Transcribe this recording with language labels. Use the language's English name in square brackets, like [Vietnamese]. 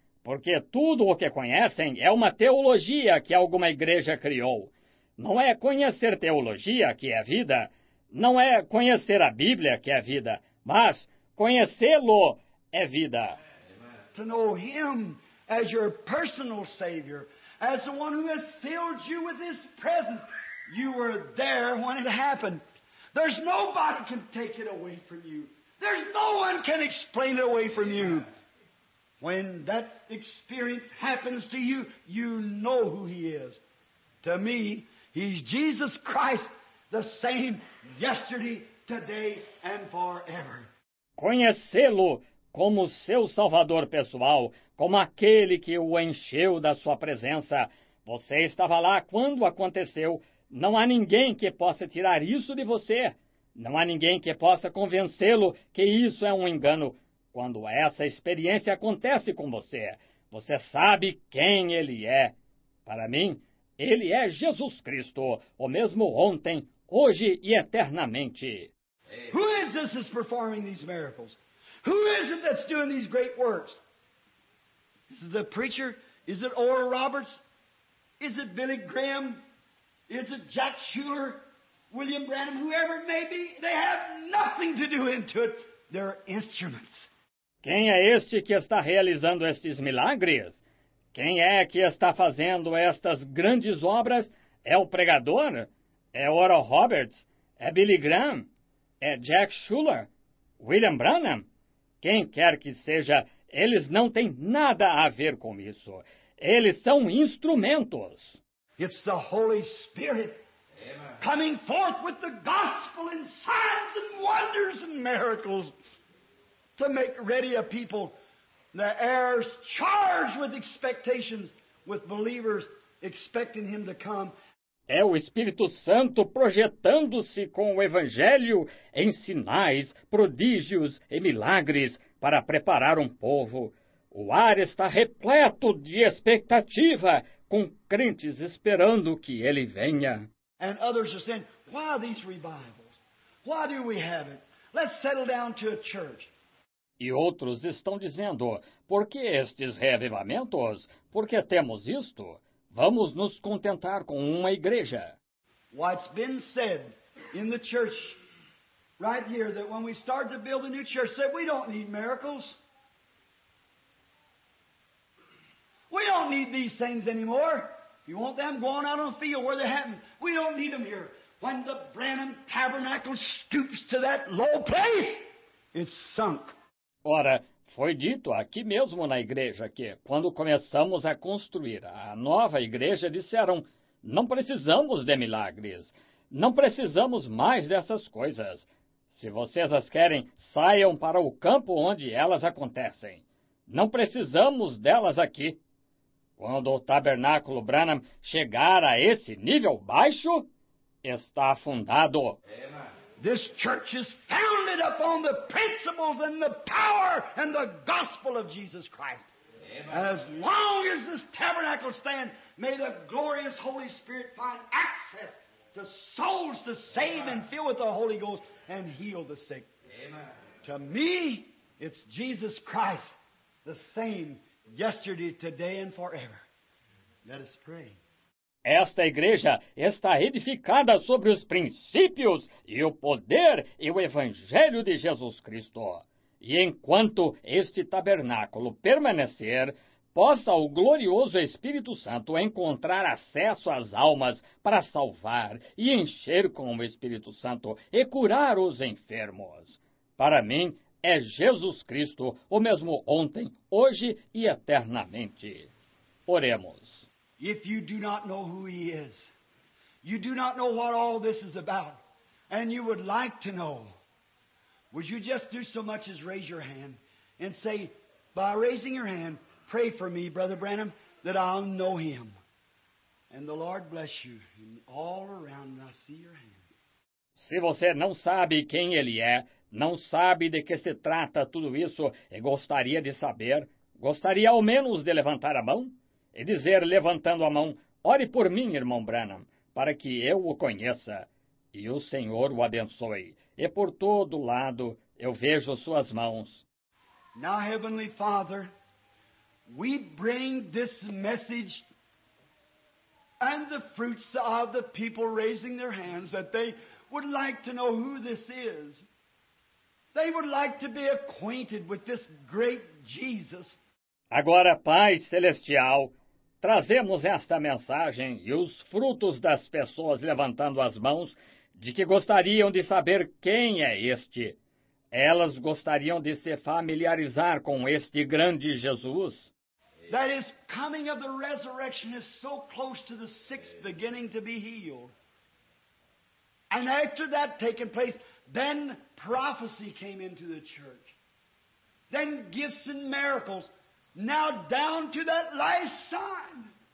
[Portuguese] Porque tudo o que conhecem é uma teologia que alguma igreja criou. Não é conhecer teologia que é vida. Não é conhecer a Bíblia que é vida. Mas conhecê-lo é vida. [English] To know Him as your personal Savior, as the one who has filled you with His presence. You were there when it happened. There's nobody can take it away from you. There's no one can explain it away from you. When that experience happens to you, you know who He is. To me, He's Jesus Christ, the same yesterday, today, and forever. [Portuguese] Conhecê-lo como seu salvador pessoal, como aquele que o encheu da sua presença. Você estava lá quando aconteceu. Não há ninguém que possa tirar isso de você. Não há ninguém que possa convencê-lo que isso é um engano. Quando essa experiência acontece com você, você sabe quem ele é. Para mim, ele é Jesus Cristo, o mesmo ontem, hoje e eternamente. [English] Who is this that's performing these miracles? Who is it that's doing these great works? Is it the preacher? Is it Oral Roberts? Is it Billy Graham? Is it Jack Schuller? William Branham? Whoever it may be, they have nothing to do into it. They're instruments. [Portuguese] Quem é este que está realizando estes milagres? Quem é que está fazendo estas grandes obras? É o pregador? É Oral Roberts? É Billy Graham? É Jack Schuller? William Branham? Quem quer que seja, eles não têm nada a ver com isso. Eles são instrumentos. [English] It's the Holy Spirit coming forth with the gospel and signs and wonders and miracles to make ready a people, the heirs charged with expectations, with believers expecting Him to come. [Portuguese] É o Espírito Santo projetando-se com o Evangelho em sinais, prodígios e milagres para preparar um povo. O ar está repleto de expectativa, com crentes esperando que Ele venha. [English] And others are saying, why these revivals? Why do we have it? Let's settle down to a church. [Portuguese] E outros estão dizendo, por que estes reavivamentos? Por que temos isto? Vamos nos contentar com uma igreja. [English] What's been said in the church right here that when we start to build a new church, said we don't need miracles. We don't need these things anymore. You want them going out on the field where they happen. We don't need them here. When the Branham Tabernacle stoops to that low place, it's sunk. [Portuguese] Ora, foi dito aqui mesmo na igreja que, quando começamos a construir a nova igreja, disseram, não precisamos de milagres. Não precisamos mais dessas coisas. Se vocês as querem, saiam para o campo onde elas acontecem. Não precisamos delas aqui. Quando o tabernáculo Branham chegar a esse nível baixo, está afundado. [English] This church is founded upon the principles and the power and the gospel of Jesus Christ. As long as this tabernacle stands, may the glorious Holy Spirit find access to souls to save and fill with the Holy Ghost and heal the sick. To me, it's Jesus Christ, the same yesterday, today and forever. Let us pray. [Portuguese] Esta igreja está edificada sobre os princípios e o poder e o Evangelho de Jesus Cristo. E enquanto este tabernáculo permanecer, possa o glorioso Espírito Santo encontrar acesso às almas para salvar e encher com o Espírito Santo e curar os enfermos. Para mim, é Jesus Cristo, o mesmo ontem, hoje e eternamente. Oremos. [English] If you do not know who He is, you do not know what all this is about, and you would like to know, would you just do so much as raise your hand and say, by raising your hand, pray for me, Brother Branham, that I'll know Him. And the Lord bless you. And all around, I see your hand. [Portuguese] Se você não sabe quem Ele é, não sabe de que se trata tudo isso, e gostaria de saber, gostaria ao menos de levantar a mão? E dizer, levantando a mão, ore por mim, irmão Branham, para que eu o conheça. E o Senhor o abençoe. E por todo lado eu vejo suas mãos. [English] Now, Heavenly Father, we bring this message and the fruits of the people raising their hands that they would like to know who this is. They would like to be acquainted with this great Jesus. [Portuguese] Agora, Pai Celestial, trazemos esta mensagem e os frutos das pessoas levantando as mãos de que gostariam de saber quem é este. Elas gostariam de se familiarizar com este grande Jesus. [English] That is coming of the resurrection is so close to the sixth beginning to be healed. And after that taking place, then prophecy came into the church. Then gifts and miracles. Now down to that last sign.